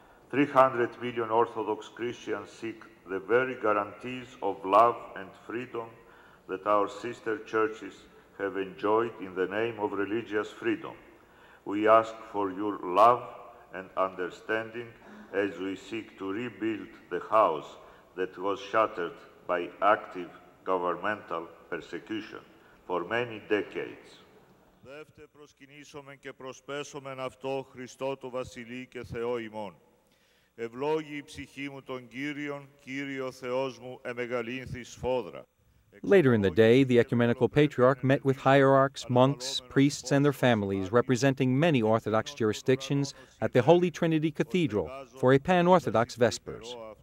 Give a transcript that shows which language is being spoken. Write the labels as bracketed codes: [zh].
[en] 300 million Orthodox Christians seek the very guarantees of love and freedom that our sister churches have enjoyed in the name of religious freedom. We ask for your love and understanding as we seek to rebuild the house that was shattered by active governmental persecution for many decades. [el] Δεύτε προσκυνήσομεν και προσπέσομεν αυτό Χριστό το Βασιλεί και Θεό ημών. Ευλόγη η ψυχή μου τον Κύριον, Κύριο Θεός μου εμεγαλύνθη σφόδρα. [en] Later in the day, the Ecumenical Patriarch met with hierarchs, monks, priests, and their families representing many Orthodox jurisdictions at the Holy Trinity Cathedral for a pan-Orthodox Vespers.